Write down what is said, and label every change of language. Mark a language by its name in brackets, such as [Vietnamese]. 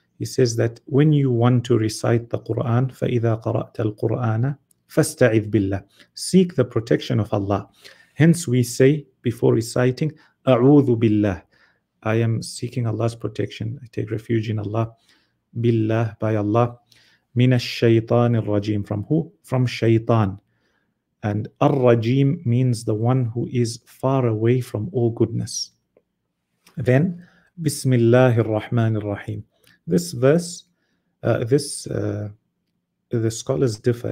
[English] He says that when you want to recite the Quran, [Arabic] فَإِذَا قَرَأْتَ الْقُرْآنَ فَاسْتَعِذْ بِاللَّهِ, [English] seek the protection of Allah. Hence, we say before reciting, [Arabic] "A'udhu billahi," [English] I am seeking Allah's protection. I take refuge in Allah, billah, by Allah. [Arabic] من الشيطان الرجيم, [English] from who? From shaytan. And الرجيم means the one who is far away from all goodness. Then [Arabic] بسم الله الرحمن الرحيم, [English] this verse, the scholars differ.